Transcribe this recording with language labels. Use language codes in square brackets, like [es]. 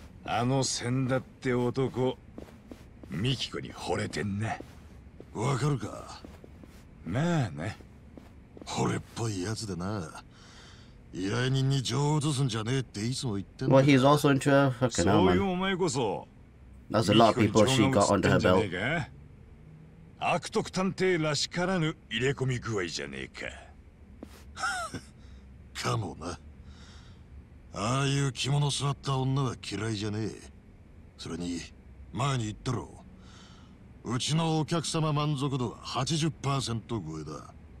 [ja] あの千田って男、ミキコに惚れてんな。わかるか。まあね、惚れっぽいやつでな。依頼人に情を落とすんじゃねえっていつも言ってん [en] だ。Well, he's also into a fucking [ja] arm. そういうお前こそ。 [en] That's a lot of people she got under her belt. [ja] 悪徳探偵らしからぬ入れ込み具合じゃねえか。かもな。ああいう着物座った女は嫌いじゃねえ。それに前に言ったろ、うちのお客様満足度は 80% 超えだ。